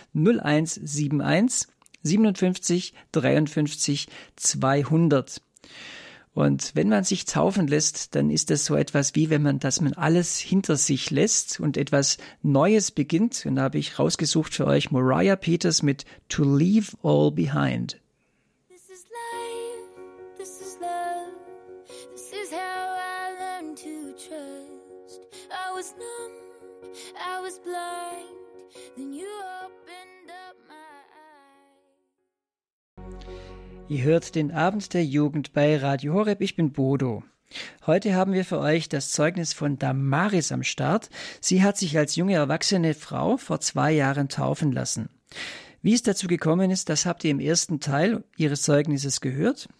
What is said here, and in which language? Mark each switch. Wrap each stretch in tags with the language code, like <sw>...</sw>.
<de>0171 57 53 200. Und wenn man sich taufen lässt, dann ist das so etwas wie, wenn man alles hinter sich lässt und etwas Neues beginnt. Und da habe ich rausgesucht für euch Mariah Peters mit To Leave All Behind.</de> <en>This is life, this is love, this is how I learned to trust. I was numb, I was blind, then you opened up my eyes.</en> <de>Ihr hört den Abend der Jugend bei Radio Horeb, ich bin Bodo. Heute haben wir für euch das Zeugnis von Damaris am Start. Sie hat sich als junge erwachsene Frau vor 2 Jahren taufen lassen. Wie es dazu gekommen ist, das habt ihr im ersten Teil ihres Zeugnisses gehört.</de>